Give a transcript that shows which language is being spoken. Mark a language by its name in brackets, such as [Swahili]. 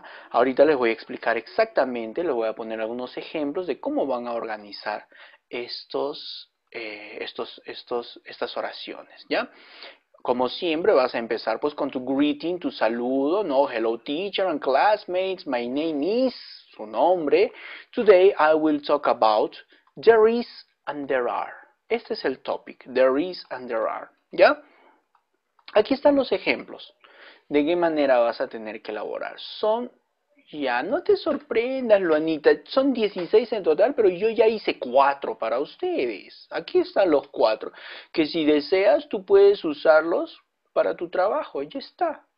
[Spanish] Ahorita les voy a explicar exactamente, les voy a poner algunos ejemplos de cómo van a organizar estas oraciones. ¿Ya? Como siempre, vas a empezar pues con tu greeting, tu saludo, ¿no? [English] Hello teacher and classmates, my name is, [Spanish] su nombre. [English] Today I will talk about there is and there are. [Spanish] Este es el topic, [English] there is and there are, [Spanish] ¿ya? Aquí están los ejemplos de qué manera vas a tener que elaborar. Son, ya, no te sorprendas, Luanita, son 16 en total, pero yo ya hice 4 para ustedes. Aquí están los 4, que si deseas, tú puedes usarlos para tu trabajo, ya está.